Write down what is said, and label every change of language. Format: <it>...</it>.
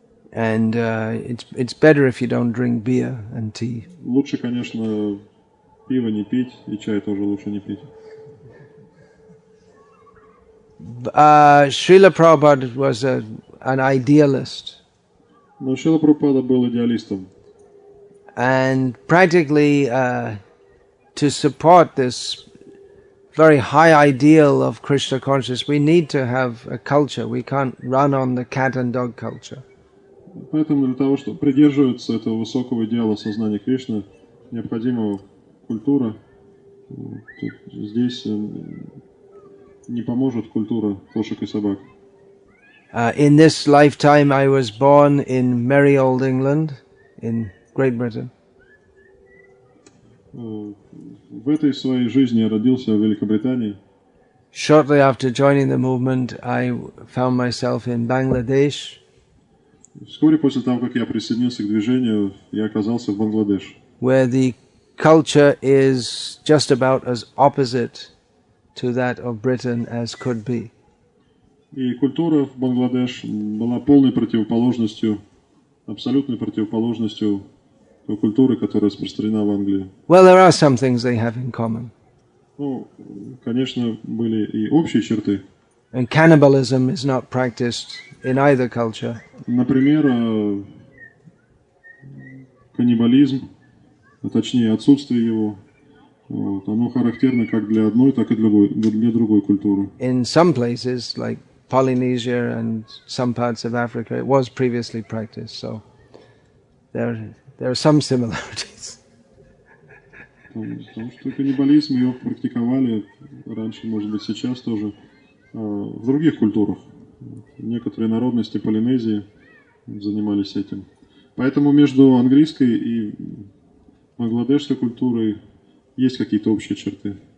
<en>And it's better if you don't drink beer and tea.</en> <ru>Лучше, конечно, пиво не пить, и чай тоже лучше не пить.</ru> <en>Srila Prabhupada was an idealist.</en> <ru>Но Шрила Прабхупада был идеалистом.</ru> <en>And practically to support this very high ideal of Krishna consciousness, we need to have a culture. We can't run on the cat and dog culture.</en> <ru>Поэтому для того, чтобы придерживаться этого высокого идеала сознания Кришны, необходима культура. Здесь не поможет культура кошек и собак.</ru> <en>In this lifetime I was born in Merry Old England, in Great Britain.</en> <ru>В этой своей жизни я родился в Великобритании.</ru> <en>Shortly after joining the movement, I found myself in Bangladesh.</en> <ru>Вскоре после того, как я присоединился к движению, я оказался в Бангладеш.</ru> <en>Where the culture is just about as opposite to that of Britain as could be.</en> <ru>И культура в Бангладеш была полной противоположностью, абсолютной противоположностью той культуры, которая распространена в Англии.</ru> <en>Well, there are some things they have in common.</en> <ru>Ну, конечно, были и общие черты.</ru> <en>And cannibalism is not practiced in either culture.</en> <ru>Например, каннибализм, а точнее отсутствие его, вот, оно характерно как для одной, так и для другой культуры.</ru> <en>In some places, like Polynesia and some parts of Africa, it was previously practiced, so there are some similarities.</en> <ru>Потому что каннибализм его практиковали раньше, может быть, сейчас тоже. В других культурах некоторые народности Полинезии занимались этим. Поэтому между английской и бангладешской культурой есть какие-то общие черты.</ru>